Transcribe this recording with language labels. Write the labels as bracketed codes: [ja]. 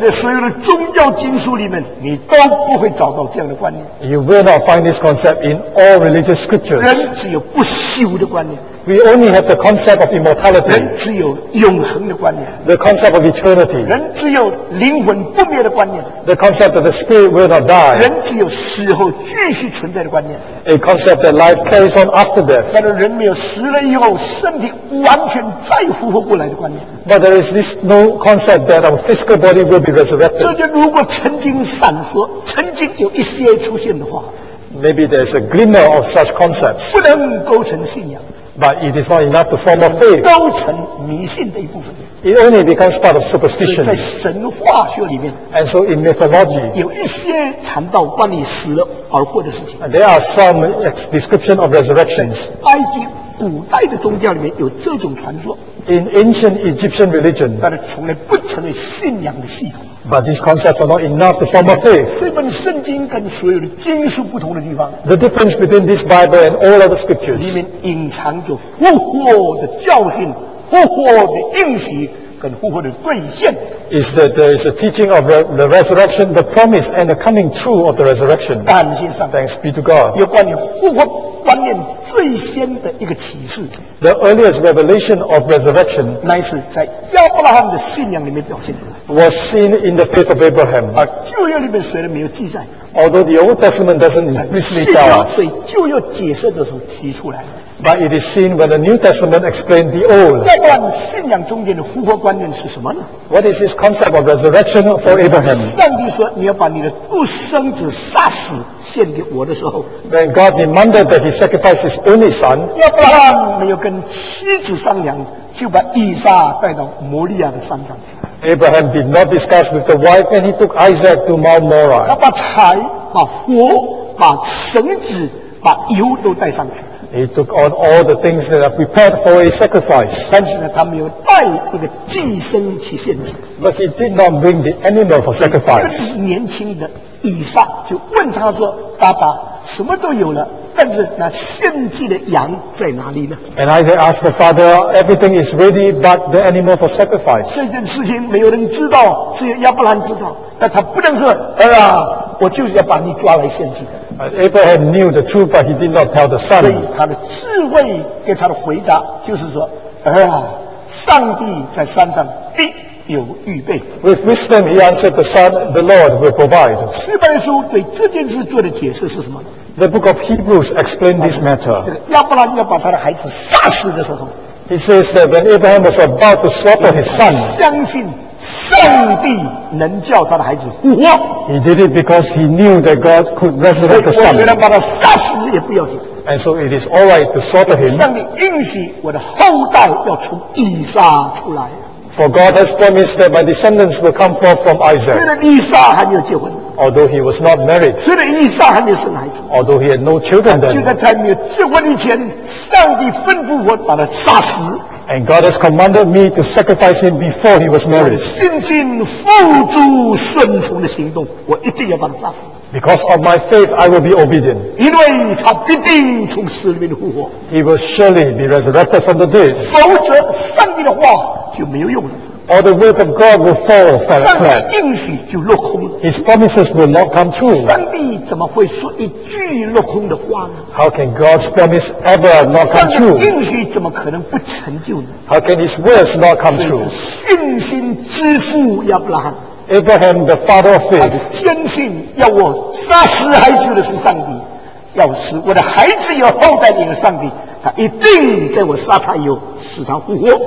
[zh] 在所有的宗教经书里面，你都不会找到这样的观念。 [en] You will not find this concept in all religious scriptures. [zh] 人只有不朽的观念。 [en] We only have the concept of immortality. [zh] 人只有永恒的观念。 [en] The concept of eternity. [zh] 人只有灵魂不灭的观念。 [en] The concept that the spirit will not die. [zh] 人只有死后继续存在的观念。 [en] A concept that life carries on after death. [zh] 但是人没有死了以后身体完全再复活过来的观念。 [en] But there is this no concept that our physical body will be resurrected. [zh] 这就如果曾经闪烁，曾经有一些出现的话。 [en] Maybe there's a glimmer of such concepts. [zh] 不能构成信仰。 [en] But it is not enough to form a faith. [zh] 构成迷信的一部分。 [en] It only becomes part of superstition. [zh] 在神话学里面。 [en] And so in mythology, [zh] 有一些谈到关于死而活的事情。 [en] There are some description of resurrections. [zh] 埃及古代的宗教里面有这种传说。 [en] In ancient Egyptian religion, [zh] 但是从来不成为信仰的系统。 [en] But these concepts are not enough to form a faith. [zh] 这本圣经跟所有的经书不同的地方。 [en] The difference between this Bible and all other scriptures. [zh] 里面隐藏着复活的教训、复活的应许跟复活的兑现。 [en] Is that there is a teaching of the resurrection, the promise and the coming true of the resurrection. [zh] 感谢上帝。 [en] Thanks be to God. [zh] 有关于复活观念最先的一个启示。 [en] The earliest revelation of resurrection. [zh] 乃是在亚伯拉罕的信仰里面表现出来。 [en] Was seen in the faith of Abraham. [zh] 而旧约里面虽然没有记载。 [en] Although the Old Testament doesn't explicitly tell us. [zh] 对旧约解释的时候提出来。 [en] But it is seen when the New Testament explained the Old. [zh] 亚伯拉罕信仰中间的复活观念是什么呢？ [en] What is this concept of resurrection for Abraham? [zh] 上帝说你要把你的独生子杀死献给我的时候。 [en] When God demanded that he sacrifice his only son. [zh] 亚伯拉罕没有跟妻子商量，就把以撒带到摩利亚的山上去。 [en] Abraham did not discuss with the wife and he took Isaac to Mount Moriah. [zh] 他把柴、把火、把绳子、把油都带上去。 [en] He took on all the things that are prepared for a sacrifice. [zh] 但是呢，他没有带一个祭牲去献祭。 [en] But he did not bring the animal for sacrifice. [zh] 这个年轻的以撒就问他说：“爸爸，什么都有了。” 但是那献祭的羊在哪里呢？ [en] And Isaac asked the father, everything is ready but the animal for sacrifice. [zh] 这件事情没有人知道，只有亚伯兰知道。但他不能说，哎呀，我就是要把你抓来献祭的。 [en] Abraham knew the truth but he did not tell the son. [zh] 所以他的智慧给他的回答就是说，哎呀，上帝在山上必有预备。 [en] With wisdom he answered the son, the Lord will provide. [zh] 希伯来书对这件事做的解释是什么？ [en] The book of Hebrews explained this matter. [zh] 亚伯拉罕要把他的孩子杀死的时候， [en] He says that when Abraham was about to slaughter his son, [zh] 相信上帝能叫他的孩子复活。 [en] He did it because he knew that God could resurrect the son. [zh] 我虽然把他杀死也不要紧。 [en] And so it is all right to slaughter him. [zh] 上帝应许我的后代要从以撒出来。 [en] For God has promised that my descendants will come forth from Isaac. [zh] 虽然以撒还没有结婚。 [en] Although he was not married. [zh] 虽然以撒还没有生孩子。 [en] Although he had no children then. [zh] 就在他没有结婚以前，上帝吩咐我把他杀死。 [en] And God has commanded me to sacrifice him before he was married. [zh] 信心付诸顺从的行动，我一定要把他杀死。 [en] Because of my faith, I will be obedient. [zh] 因为他必定从死里面复活。 [en] He will surely be resurrected from the dead. [zh] 否则，上帝的话就没有用了。 [en] Or the words of God will fall flat. [zh] 上帝应许就落空了。 [en] His promises will not come true. [zh] 上帝怎么会说一句落空的话呢？ [en] How can God's promise ever not come true? [zh] 上帝应许怎么可能不成就呢？ [en] How can His words not come true? [zh] 信心之父亚伯拉罕。 [en] Abraham, the father of faith. [zh] 他坚信要我杀死孩子的是上帝，要使我的孩子有后代的是上帝。他一定在我杀他以后使他复活。